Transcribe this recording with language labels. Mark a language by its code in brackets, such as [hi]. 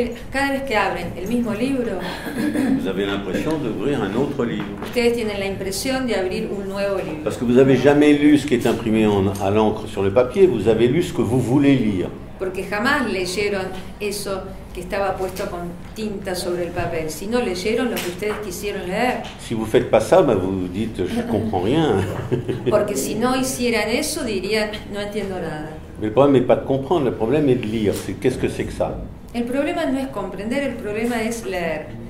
[es] Cada vez que abren el mismo libro, [fr] vous avez l'impression d'ouvrir un autre livre. [es] Ustedes tienen la impresión de abrir un nuevo libro. [fr] Parce que vous avez jamais lu ce qui est imprimé à l'encre sur le papier, vous avez lu ce que vous voulez lire. [es] Porque jamás leyeron eso que estaba puesto con tinta sobre el papel, sino leyeron lo que ustedes quisieron leer. [fr] Si vous faites pas ça, bah vous dites je comprends rien. [es] Porque si no hicieran eso, dirían no entiendo nada. [fr] Mais le problème n'est pas de comprendre, le problème est de lire. Qu'est-ce que c'est que ça? [es] El problema no es comprender, el problema es leer.